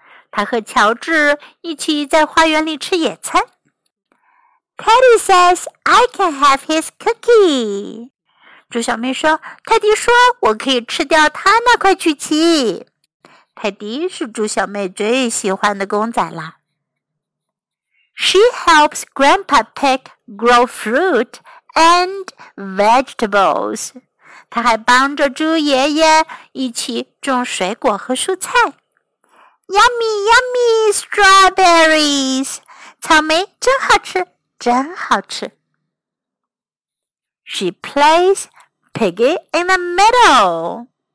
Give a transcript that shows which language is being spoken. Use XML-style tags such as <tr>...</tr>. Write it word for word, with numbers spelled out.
<zh>她和乔治一起在花园里吃野餐。</zh> <en>Teddy says, "I can have his cookie."</en> <zh>猪小妹说，泰迪说我可以吃掉他那块曲奇。泰迪是猪小妹最喜欢的公仔啦。</zh> <en>She helps Grandpa Pig grow fruit and vegetables.</en> <zh>她还帮着猪爷爷一起种水果和蔬菜。</zh> <en>Yummy, yummy strawberries.</en> <zh>草莓真好吃，真好吃。</zh> <en>She plays Piggy in the middle.</en>